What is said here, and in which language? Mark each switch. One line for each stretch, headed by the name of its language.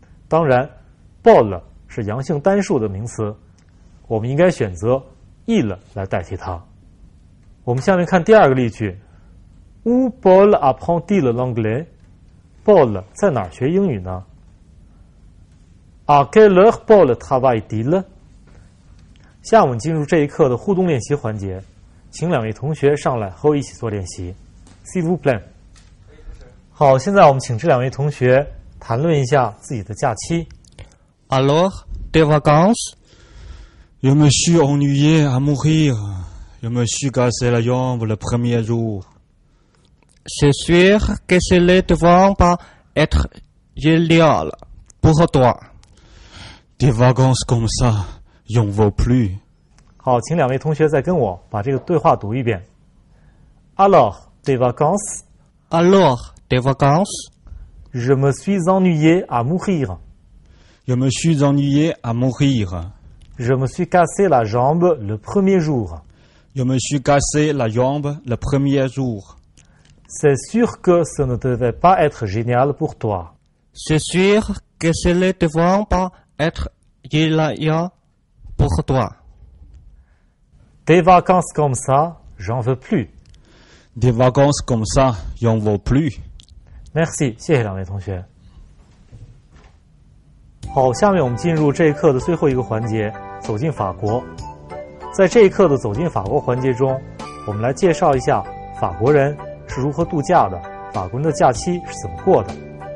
Chinese: 当然 Paul 是阳性单数的名词，我们应该选择 il 来代替它。我们下面看第二个例句，
French: Où Paul apprend-il l'anglais？
Chinese: Paul 在哪儿学英语呢？
French: À quelle heure Paul travaille-t-il？
Chinese: 下午进入这一课的互动练习环节，请两位同学上来和我一起做练习。
French: S'il vous plaît。
Chinese: 好，现在我们请这两位同学谈论一下自己的假期。
French: Alors, des vacances? Je me suis ennuyé à mourir. Je me suis cassé la jambe le premier jour. C'est sûr que ce ne devrait pas être génial pour toi. Des vacances comme ça, j'en veux plus.
Chinese: 好，请两位同学再跟我把这个对话读一遍。
French: Alors, des vacances? Alors, des vacances? Je me suis ennuyé à mourir. Je me suis ennuyé à mourir. Je me suis cassé la jambe le premier jour. Je me suis cassé la jambe le premier jour. C'est sûr que ce ne devait pas être génial pour toi. C'est sûr que ce ne devait pas être génial pour toi. Des vacances comme ça, j'en veux plus. Des vacances comme ça, j'en veux plus. Merci,
Chinese: 谢谢两位同学。好，下面我们进入这一课的最后一个环节，走进法国。在这一课的走进法国环节中，我们来介绍一下法国人是如何度假的，法国人的假期是怎么过的。